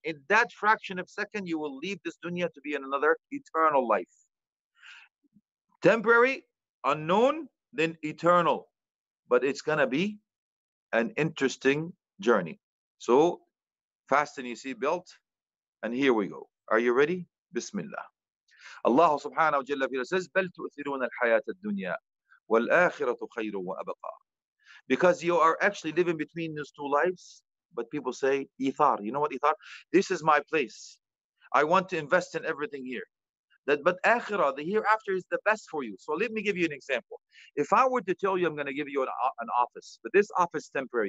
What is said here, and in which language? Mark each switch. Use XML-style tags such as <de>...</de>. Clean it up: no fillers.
<en>In that fraction of second, you will leave this dunya to be in another eternal life. Temporary, unknown, then eternal. But it's going to be an interesting journey. So fasten your seatbelt, and here we go. Are you ready? Bismillah.</en> <ar>Allah subhanahu wa jalla</ar> <en>says,</en> <ar>بَلْ تُؤْثِرُونَ الْحَيَاةَ الدُّنْيَا وَالْآخِرَةُ خَيْرٌ وَأَبَقَى.</ar> <en>Because you are actually living between these two lives, but people say, ithar. You know what ithar? This is my place. I want to invest in everything here. But akhirah, the hereafter, is the best for you. So let me give you an example. If I were to tell you I'm going to give you an office, but this office is temporary.</en>